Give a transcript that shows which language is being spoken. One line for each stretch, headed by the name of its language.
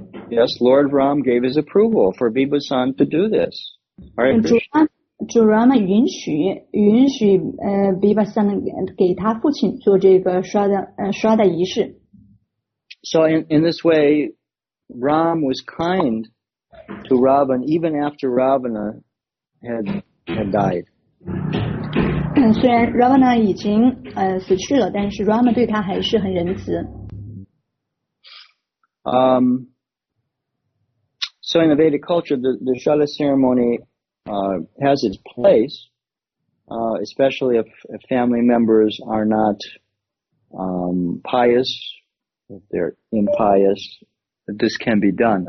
English: Yes, Lord Ram gave his approval for Vibhasan to do this. All right.
Chinese: 主 Rama 允许Vibhasana 给他父亲做这个刷的仪式。
English: So in this way, Ram was kind to Ravana even after Ravana had died.
Chinese: 虽然 Ravana 已经死去了，但是 Rama 对他还是很仁慈。
English: So in the Vedic culture, the Shuddha ceremony. Has its place, especially if family members are not pious, if they're impious, this can be done.